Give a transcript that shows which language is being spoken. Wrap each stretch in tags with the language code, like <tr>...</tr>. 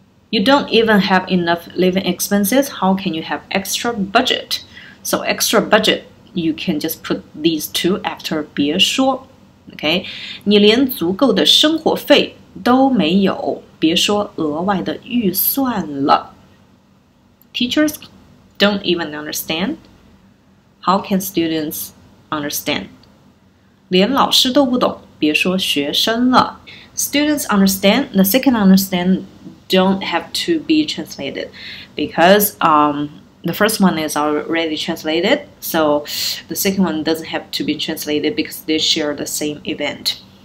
<en>You don't even have enough living expenses. How can you have extra budget? So extra budget, you can just put these two after 别说 okay?</en> <zh>你连足够的生活费都没有，别说额外的预算了。</zh> <en>Teachers don't even understand. How can students understand?</en> <zh>连老师都不懂，别说学生了。</zh> <en>Students understand, the second understand don't have to be translated because the first one is already translated, so the second one doesn't have to be translated because they share the same event.</en>